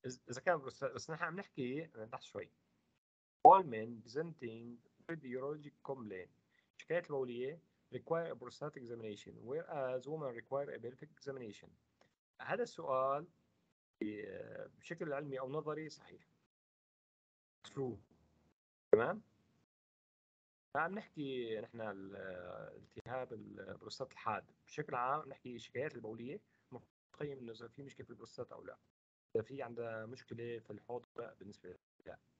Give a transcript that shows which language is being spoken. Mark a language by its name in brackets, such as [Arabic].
[Arabic] إذا كان بروستات بس نحن عم نحكي نحكي شوي. [English] All men presenting with urologic complaint [Arabic] شكاية البولية. [English] require a prostate examination whereas women require a pelvic examination. [Arabic] هذا السؤال بشكل علمي او نظري صحيح [English] true [Arabic] تمام. عم نحكي نحن التهاب البروستات الحاد بشكل عام، نحكي الشكايات البوليه مقيم انه اذا في مشكله في البروستات او لا، اذا في عندها مشكله في الحوض بالنسبه لها.